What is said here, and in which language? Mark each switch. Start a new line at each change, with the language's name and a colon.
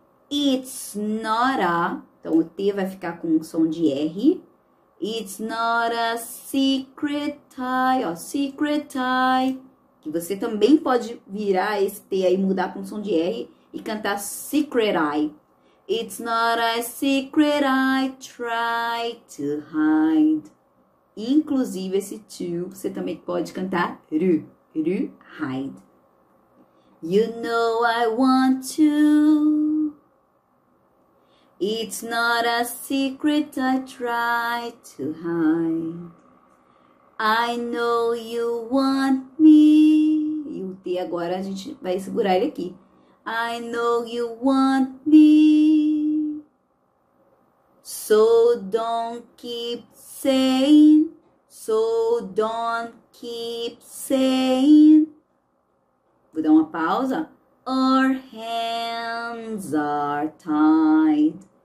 English: It's not a.
Portuguese: Então, o T vai ficar com um som de R.
English: It's not a secret tie, ó. Secret tie.
Portuguese: Que você também pode virar esse T aí, mudar com um som de R e cantar
English: secret eye. It's not a secret I try to hide.
Portuguese: Inclusive, esse to, você também pode cantar ru, ru, hide.
English: You know I want to. It's not a secret I try to hide. I know you want me.
Portuguese: E o T agora a gente vai segurar ele aqui.
English: I know you want me, so don't keep saying, so don't keep saying.
Portuguese: Vou dar uma pausa.
English: Our hands are tied.